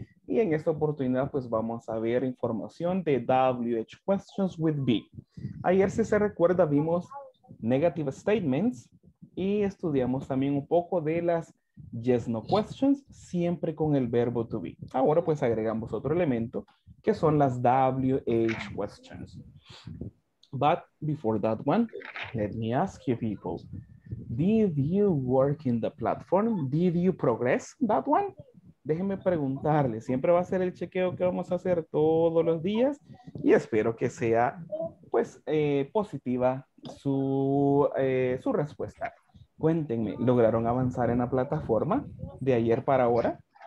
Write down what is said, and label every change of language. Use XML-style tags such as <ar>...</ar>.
<es>Y en esta oportunidad, pues vamos a ver información de WH questions with be. Ayer, si se recuerda, vimos negative statements y estudiamos también un poco de las yes, no questions, siempre con el verbo to be. Ahora, pues agregamos otro elemento, que son las WH questions.</es> <en>But before that one, let me ask you people, did you work in the platform? Did you progress that one?</en> <es>déjeme preguntarle, siempre va a ser el chequeo que vamos a hacer todos los días y espero que sea pues positiva su respuesta. Cuéntenme, ¿lograron avanzar en la plataforma de ayer para ahora?</es>